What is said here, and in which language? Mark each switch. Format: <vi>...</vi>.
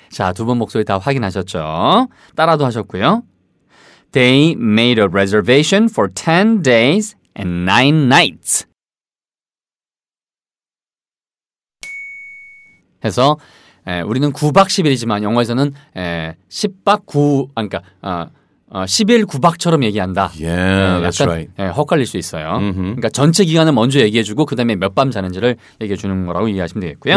<ko>자, 두 번 목소리 다 확인하셨죠? 따라도 하셨고요.</ko> <en>They made a reservation for 10 days and 9 nights.</en> <ko>해서 우리는 9박 10일이지만 영어에서는 10박 9, 그러니까 10일 9박처럼 얘기한다.</ko> <en>Yeah, that's right.</en> <ko>약간 헷갈릴 수 있어요. Mm-hmm. 그러니까 전체 기간을 먼저 얘기해 주고 그 다음에 몇 밤 자는지를 얘기해 주는 거라고 이해하시면 되겠고요.</ko>